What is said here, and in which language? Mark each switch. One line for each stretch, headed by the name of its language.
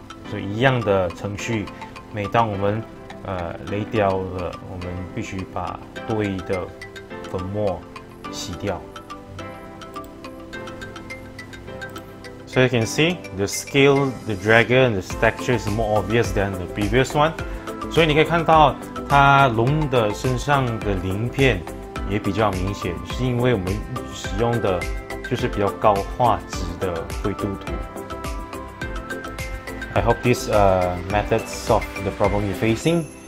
Chinese: 所以一样的程序，每当我们雷雕了，我们必须把多余的粉末洗掉。
English: So you can see the scale, the dragon, the texture is more obvious than the previous one.
Chinese: 所以你可以看到它龙的身上的鳞片也比较明显，是因为我们使用的就是比较高画质的灰度图。
English: I hope this method solves the problem you're facing.